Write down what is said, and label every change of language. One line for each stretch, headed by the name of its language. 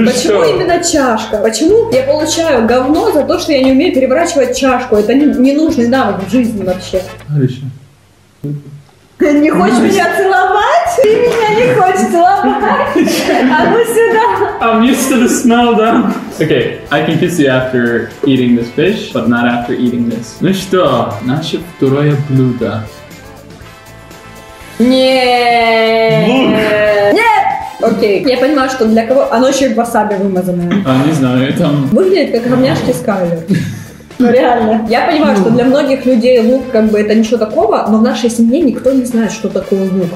Russian: почему Именно чашка? Почему я получаю говно за то, что я не умею переворачивать чашку? Это ненужный навык в жизни вообще. Хорошо. Ты не хочешь меня целовать? Ты меня не хочешь целовать? А ну сюда.
English: I'm used to the smell, да? Okay, I can kiss you after eating this fish, but not after eating this.
Russian: Ну что, наше второе блюдо. Нет! Нет! Окей. Я понимаю, что для кого... Оно еще и в васаби вымазано. А, не знаю, там... Выглядит как говняшки с кавер. Ну, реально. Я понимаю, что для многих людей лук как бы это ничего такого, но в нашей семье никто не знает, что такое лук.